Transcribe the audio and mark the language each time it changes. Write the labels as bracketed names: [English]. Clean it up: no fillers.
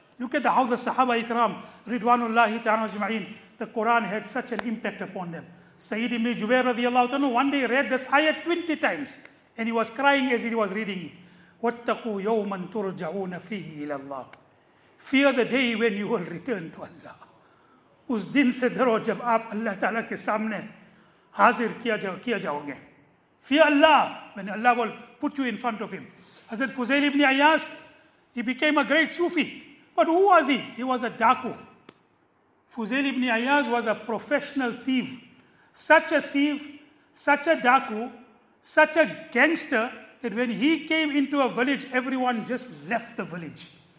[English] Look at the how the Sahaba Ikram, Ridwanullahi Ta'ala Jama'in, the Quran had such an impact upon them. Sayyid Ibn Jubair radiallahu ta'ala one day read this ayat 20 times and he was crying as he was reading it. [Arabic] وَاتَّقُوا يَوْمًا تُرْجَعُونَ فِيهِ إِلَى اللَّهِ. [English] Fear the day when you will return to Allah. [Urdu] اس دن سے ڈرو جب آپ اللہ تعالیٰ کے سامنے حاضر کیا جاؤ گے. [English] فی اللہ, when Allah will put you in front of him. Hazrat Fuzail ibn Ayyaz, he became a great Sufi. But who was he? He was a daku. Fuzail ibn Ayyaz was a professional thief. Such a thief, such a daku, such a gangster, that when he came into a village, everyone just left the village.